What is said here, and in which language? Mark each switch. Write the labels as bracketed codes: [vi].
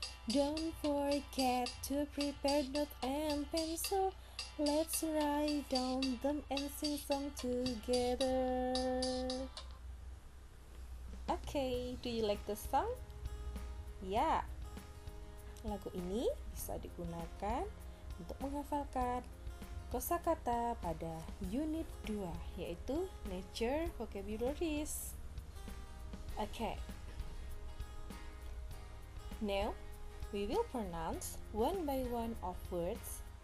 [en] Don't forget to prepare note and pencil. Let's write down them and sing song together. Okay, do you like the song? [id] Ya, lagu ini bisa digunakan untuk menghafalkan kosakata pada unit 2, yaitu Nature Vocabularies. [en] Okay. Now, we will pronounce one by one of words.